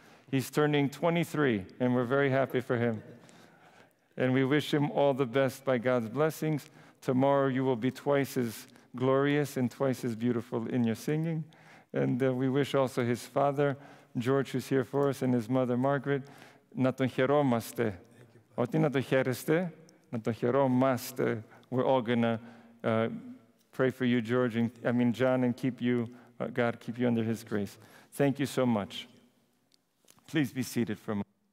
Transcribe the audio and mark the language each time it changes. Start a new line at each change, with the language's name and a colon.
English: He's turning 23, and we're very happy for him. And we wish him all the best by God's blessings. Tomorrow you will be twice as glorious and twice as beautiful in your singing. And we wish also his father, George, who's here for us, and his mother, Margaret,
Greek: να τον χαιρόμαστε. Ότι να τον χαίρεστε, να τον χαιρόμαστε.
English: We're all going to pray for you, George, and I mean John, and keep you, God, keep you under his grace. Thank you so much. Please be seated for a moment.